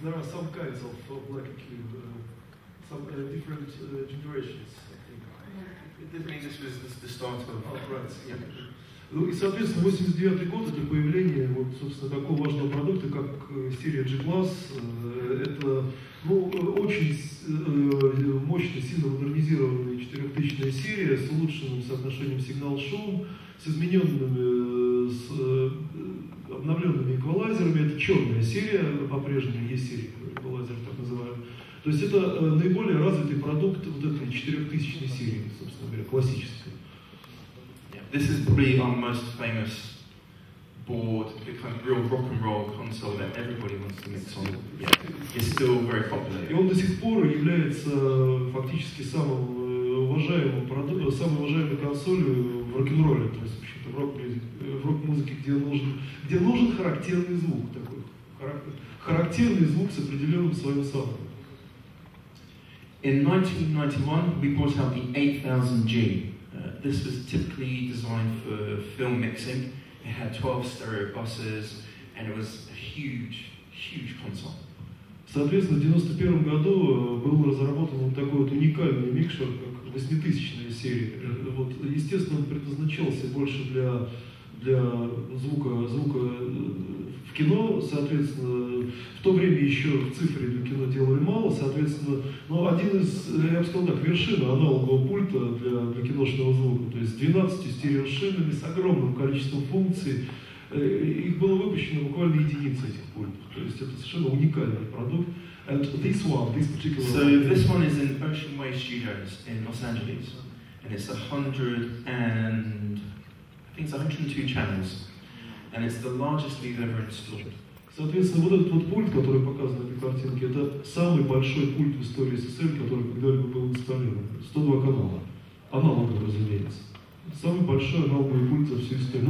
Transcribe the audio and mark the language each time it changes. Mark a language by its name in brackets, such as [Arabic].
[English] There are some kinds of black EQ, some different generations, I think. I mean, this was the start of... Oh, right. Yeah. [Russian] Ну, и, соответственно, 89-й год — это появление вот, собственно, такого важного продукта, как серия G+. Это, ну, очень мощно, сильно модернизированная 4000-я серия с улучшенным соотношением сигнал-шум, с измененными... обновленными эквалайзерами, это черная серия, по-прежнему есть серия эквалайзер, так называемый. То есть это наиболее развитый продукт вот этой 4000-й серии, собственно говоря, классической. [English] This is probably our most famous board, the kind of real rock and roll console that everybody wants to mix on, yeah, is still very popular. [Russian] И он до сих пор является фактически самой уважаемой консолью в рок-н-ролле, то есть вообще-то в рок-музыке, где нужен характерный звук такой, характерный звук с определенным своим саундом. [English] In 1991, we brought out the 8000G. This was typically designed for film mixing. It had 12 stereo buses, and it was a huge, huge console. [Russian] Соответственно, в 91 году был разработан вот такой вот уникальный микшер, как 8000-я серия. Вот, естественно, он предназначался больше для звука в кино, соответственно, в то время еще в цифре для кино делали мало, соответственно, ну, один из, я бы сказал так, вершин аналогового пульта для киношного звука, то есть 12 стереошинами с огромным количеством функций, их было выпущено буквально единицы этих пультов, то есть это совершенно уникальный продукт. [English] And this one, this particular one. So this one is in Ocean Way Studios in Los Angeles, and it's 102 channels, and it's the largest we've ever installed. [Russian] Соответственно, вот этот вот пульт, который показан на этой картинке, это самый большой пульт в истории СССР, который когда-либо был инсталлирован. 102 канала. Аналоговый, разумеется. Самый большой аналоговый пульт за всю историю.